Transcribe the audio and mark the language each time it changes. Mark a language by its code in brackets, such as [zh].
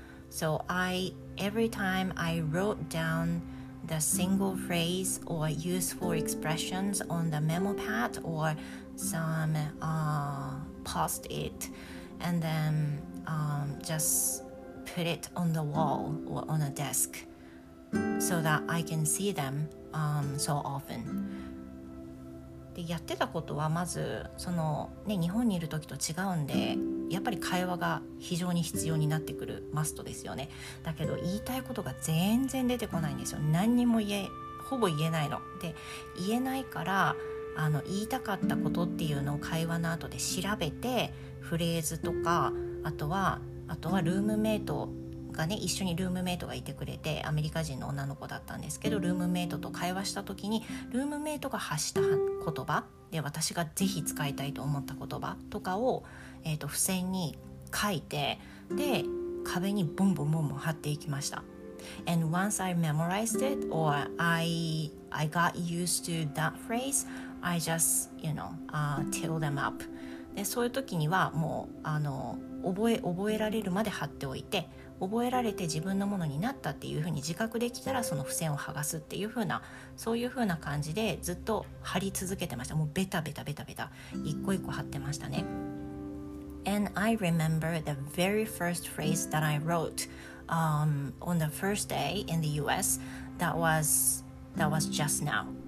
[en] So every time I wrote down the single phrase or useful expressions on the memo pad or some post-it, and then just put it on the wall or on a desk so that I can see them so often. [ja] で、やってたことはまずその、ね、日本にいる時と違うんで、やっぱり会話が非常に必要になってくる、マストですよね。だけど言いたいことが全然出てこないんですよ。何にも言え、ほぼ言えないので、言えないから、あの言いたかったことっていうのを会話の後で調べて、フレーズとか、あとはルームメイトがね、一緒にルームメイトがいてくれて、アメリカ人の女の子だったんですけど、ルームメイトと会話した時にルームメイトが発した言葉で、私がぜひ使いたいと思った言葉とかを、付箋に書いて、で壁にボンボンボンボン貼っていきました。 [en] And once I memorized it or I got used to that phrase, I just you know tell them up. [ja] でそういう時にはもうあの覚えられるまで貼っておいて、覚えられて自分のものになったっていうふうに自覚できたら、その付箋を剥がすっていうふうな、そういうふうな感じでずっと貼り続けてました。もうベタベタベタベタ一個一個貼ってましたね。 [en] And I remember the very first phrase that I wrote on the first day in the US that was just now.